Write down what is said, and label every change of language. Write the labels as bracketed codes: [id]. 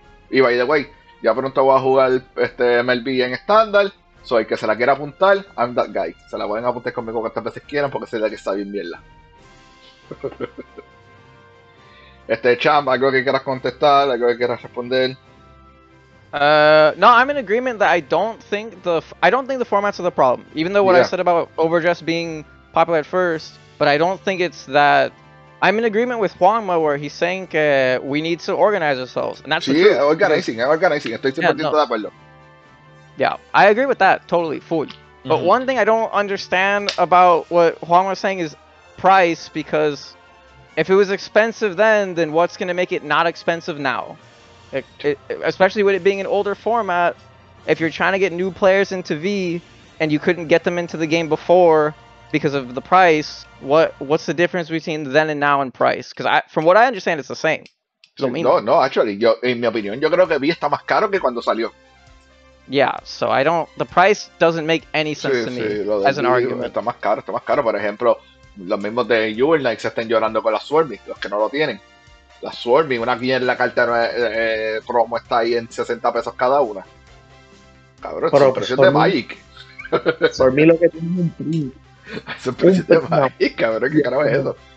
[es] Y [en] by the way, [es] ya pronto voy a jugar este MLB en Standard. Soy el que se la quiera apuntar, [en] I'm that guy. [es] Se la pueden apuntar conmigo cuantas veces quieran porque soy la que está bien mierda. Este champ, ¿algo que quieras contestar? ¿Algo que quieras responder? [en] No, I'm in agreement that I don't think the formats are the problem. Even though what I said about Overdress being popular at first, but I don't think it's that. I'm in agreement with Juanma where he's saying que we need to organize ourselves, and that's the truth. [es] Organizing. Estoy 100% de acuerdo. [en] Yeah, I agree with that totally, full. But one thing I don't understand about what Juan was saying is price, because if it was expensive then what's going to make it not expensive now? Especially with it being an older format, if you're trying to get new players into V and you couldn't get them into the game before because of the price, what's the difference between then and now in price? Because from what I understand, it's the same. No, actually, in my opinion, [es] yo creo que V está más caro que cuando salió. [en] Yeah, so I don't. The price doesn't make any sense to me as an argument. [es] Está más caro. Por ejemplo, los mismos de Jewel Knights estén llorando con las Swarmy, los que no lo tienen. Las Swarmy, una bien la carta promo está ahí en $60 cada una. Cabrón, es un precio de Magic. Por mí lo que tiene es un print. Es un precio de Magic, cabrón, qué carajo es eso.